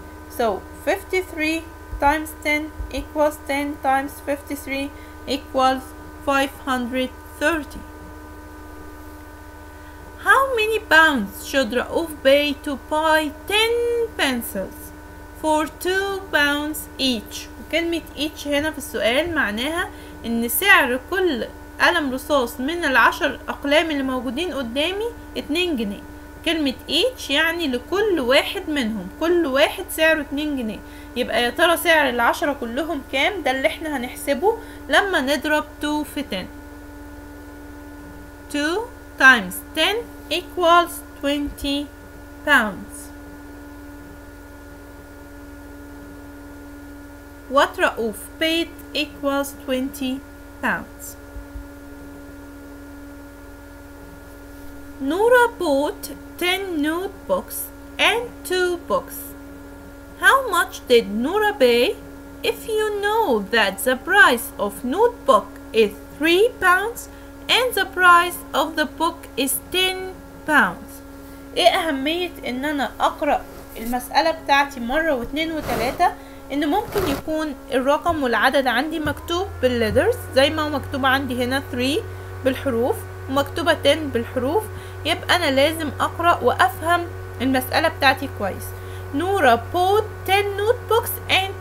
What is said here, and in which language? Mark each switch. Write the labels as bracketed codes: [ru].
[en] So 53 times 10 equals 10 times 53 equals 530. How many pounds should Rauf pay to buy 10 pencils? For 2 pounds each. [ar] وكلمة each هنا في السؤال معناها ان سعر كل قلم رصاص من العشر اقلام اللي موجودين قدامي 2 جنيه. كلمة each يعني لكل واحد منهم. كل واحد سعره 2 جنيه. يبقى يا ترى سعر العشرة كلهم كام؟ ده اللي احنا هنحسبه لما نضرب 2 في 10. [en] 2 times 10 equals 20 pounds. What Rauf paid equals 20 pounds. Noura bought 10 notebooks and 2 books. How much did Noura pay? If you know that the price of notebook is 3 pounds and the price of the book is 10 pounds. [ar] ايه اهمية ان انا اقرأ المسألة بتاعتي مرة واثنين وثلاثة؟ ان ممكن يكون الرقم والعدد عندي مكتوب بالليترز زي ما مكتوب عندي هنا 3 بالحروف ومكتوبة 10 بالحروف. يبقى انا لازم اقرأ وافهم المسألة بتاعتي كويس. نورا [en] bought 10 notebooks and